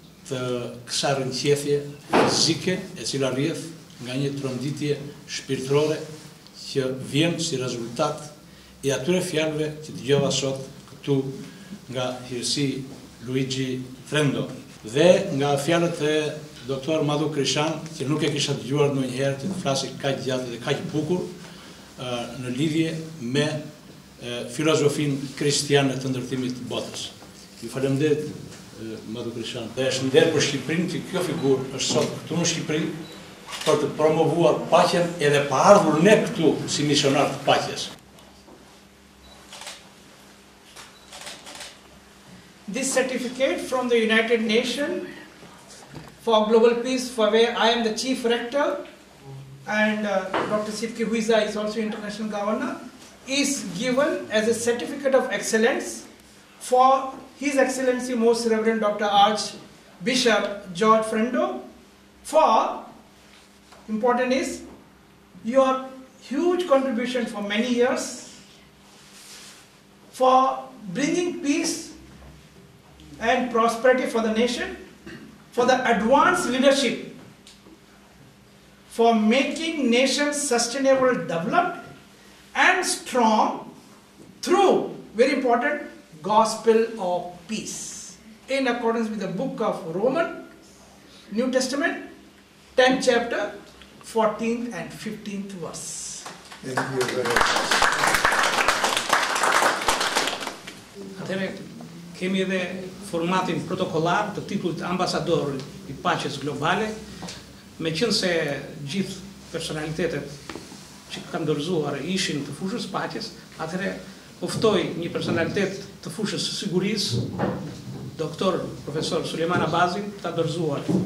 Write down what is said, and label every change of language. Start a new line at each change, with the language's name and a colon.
Albanian: të kësa rënqethje fizike e cila rrjedh nga një tronditje shpirtërore që vjen si rezultat I atyre fjalëve që dëgjova sot këtu nga hirësi Luigi Frendo dhe nga fjalët e doktor Madhu Krishan që nuk e kisha dëgjuar në njëherë të flasë kaq gjatë dhe kaq bukur në lidhje me filozofin kristiane të ndërtimit të botës. Ju faleminderit, Madhu Krishan, dhe është nder për Shqiprin që kjo figur është sot këtu në Shqipri për të promovuar paqen edhe pa ardhur ne këtu si misionar të paqes.
English: This certificate from the United Nations for global peace, for where I am the chief rector, and Dr. Shefki Hysa is also international governor, is given as a certificate of excellence for His Excellency Most Reverend Dr. Archbishop George Frendo for, important is, your huge contribution for many years for bringing peace and prosperity for the nation, for the advanced leadership, for making nations sustainable, developed and strong through, very important, gospel of peace. In accordance with the book of Roman, New Testament, 10th chapter, 14th and 15th verse. Thank you very much.
Albanian: Atëherë kemi edhe formatin protokollar të titullit ambasador i paqes globale, meqense gjithë personalitetet që kanë dorëzuar ishin të fushës paqes, atëherë u ftoi një personalitet të fushës së sigurisë, doktor profesor Sulejman Abazin, ta dorëzuar.